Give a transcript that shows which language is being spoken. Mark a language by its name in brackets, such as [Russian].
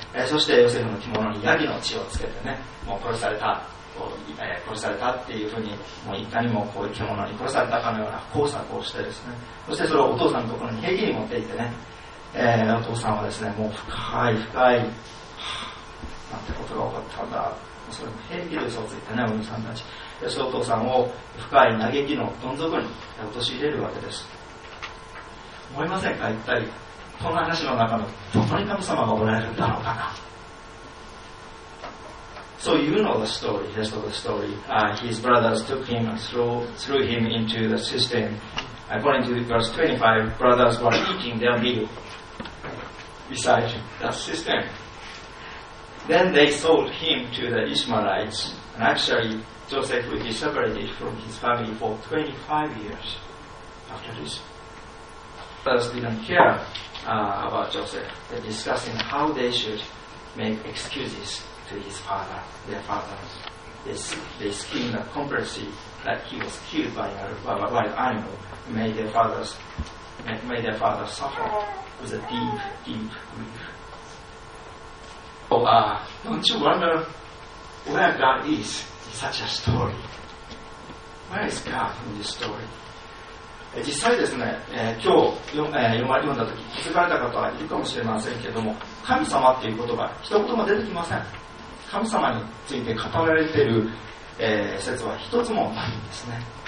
[Japanese] そしてヨセフの着物にヤギの血をつけてね、もう殺されたっていうふうに、もういかにもこういう着物に殺されたかのような工作をしてですね、そしてそれをお父さんのところに平気に持っていってね、お父さんはですね、もう深い、なんてことが起こったんだ、それも平気で嘘をついてね、お兄さんたち、お父さんを深い嘆きのどん底に陥れるわけです。思いませんか、一体こんな話の中のどこに神様がおられるんだろうかな。 [English] So you know the story, the rest of the story、his brothers took him and threw him into the cistern. According to verse 25, brothers were eating their meal beside the cistern. Then they sold him to the Ishmaelites, and actually Joseph will be separated from his family for 25 years after this. Brothers didn't care about Joseph. They're discussing how they should make excuses to his father, their father. They schemed a conspiracy that he was killed by an animal, made their father suffer with a deep, deep grief. Don't you wonder where God is in such a story? Where is God in this story? [Japanese] 実際ですね、今日読んだ時気づかれた方はいるかもしれませんけれども、神様っていう言葉一言も出てきません。神様について語られている、説は一つもないんですね。